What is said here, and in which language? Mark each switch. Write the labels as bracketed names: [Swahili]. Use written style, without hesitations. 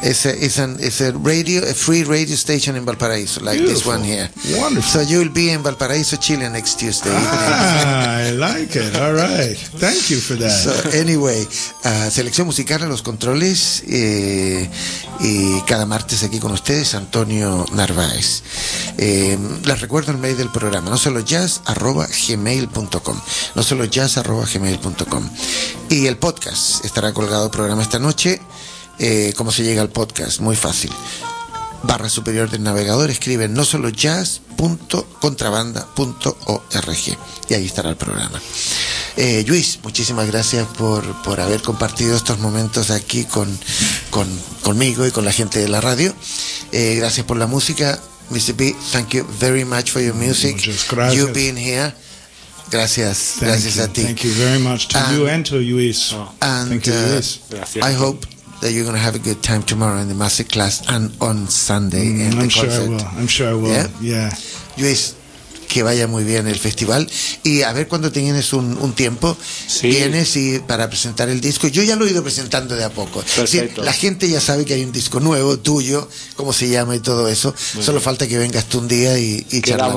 [English] It's a free radio station in Valparaíso, like beautiful. This one here. Wonderful. So you will be in Valparaíso, Chile, next Tuesday. I like it. All right. Thank you for that. So anyway, [Spanish] selección musical a los controles y cada martes aquí con ustedes, Antonio Narváez. Les recuerdo el mail del programa, nosolojazz@gmail.com. nosolojazz@gmail.com. Y el podcast estará colgado el programa esta noche. ¿Cómo se llega al podcast? Muy fácil. Barra superior del navegador, escribe nosolojazz.contrabanda.org y ahí estará el programa. Luis, muchísimas gracias por haber compartido estos momentos aquí conmigo y con la gente de la radio. Gracias por la música. [English] Mr. B, thank you very much for your music. [Spanish] Muchas gracias. [English] You being here. [Spanish] Gracias, [English] thank [Spanish] gracias [English] you. [Spanish] A ti. [English] Thank you very much to you and to Luis. Oh. And thank you, Luis. I hope that you're going to have a good time tomorrow in the masterclass and on Sunday. I'm sure I will. Yeah? [Spanish] Luis, que vaya muy bien el festival. Y a ver cuando tienes un tiempo, sí, vienes y para presentar el disco. Yo ya lo he ido presentando de a poco. Sí, la gente ya sabe que hay un disco nuevo, tuyo, cómo se llama y todo eso. Muy solo bien. Falta que vengas tú un día y quedamos charlamos.